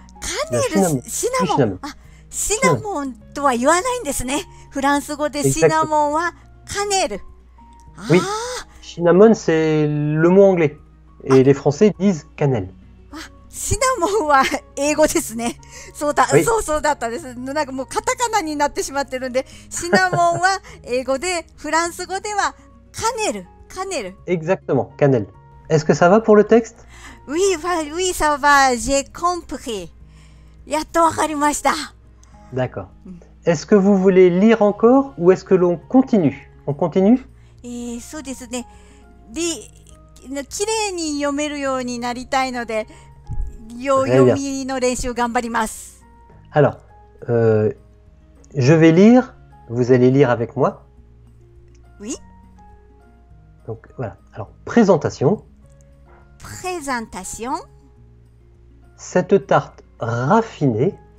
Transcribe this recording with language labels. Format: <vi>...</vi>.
<ja>シナモン、シナモンとは言わないんですね。フランス語でシナモンはカネル。</ja> <fr>ああ、シナモン c'est le mot anglais et les Français disent cannelle。</fr> <ja>シナモンは英語ですね。そうだ、そうそうだったです。なんかもうカタカナになってしまってるんで、シナモンは英語でフランス語ではカネル、カネル。</ja> <fr>Exactement, cannelle. Est-ce que ça va pour le texte? Oui, oui, ça va. J'ai compris.</fr> <ja>やっとわかりました。</ja> <fr>D'accord. Est-ce que vous voulez lire encore ou est-ce que l'on continue? On continue?</fr> <ja>そうですね。きれいに読めるようになりたいので、読みの練習を頑張ります。</ja> <fr>Alors, je vais lire, vous allez lire avec moi? Oui. Donc, voilà. Alors, présentation. Présentation. Cette tarte. Raffiné.</fr>